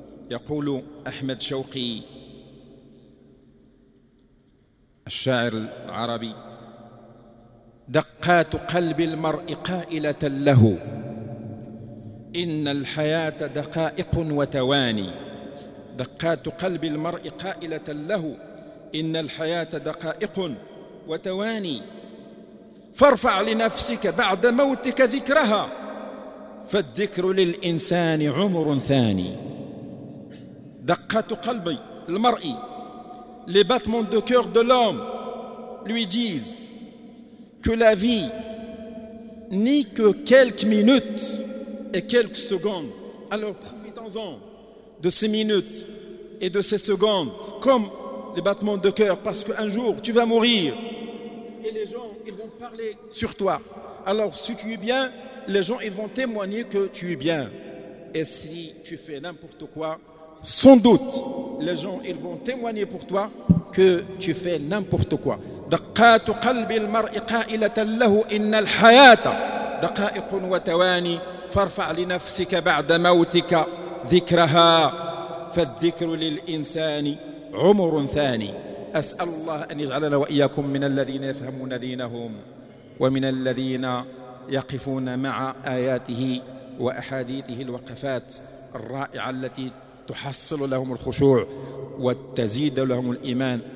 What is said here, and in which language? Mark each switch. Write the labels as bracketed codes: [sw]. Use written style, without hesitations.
[ar] يقول أحمد شوقي الشاعر العربي: دقات قلب المرء قائلة له، إن الحياة دقائق وتواني. دقات قلب المرء قائلة له، إن الحياة دقائق وتواني. فارفع لنفسك بعد موتك ذكرها، فالذكر للإنسان عمر ثاني. دقات قلب المرء، [fr] les battements de cœur de l'homme lui disent que la vie n'est que quelques minutes et quelques secondes. Alors profitons-en de ces minutes et de ces secondes comme les battements de cœur, parce qu'un jour tu vas mourir et les gens ils vont parler sur toi. Alors si tu es bien, les gens ils vont témoigner que tu es bien. Et si tu fais n'importe quoi, sans doute les gens ils vont témoigner pour toi que tu fais n'importe quoi. [ar] دقات قلب المرء قائلة له، إن الحياة دقائق وتواني، فارفع لنفسك بعد موتك ذكرها، فالذكر للإنسان عمر ثاني. أسأل الله أن يجعلنا وإياكم من الذين يفهمون دينهم ومن الذين يقفون مع آياته وأحاديثه الوقفات الرائعة التي تحصل لهم الخشوع وتزيد لهم الإيمان.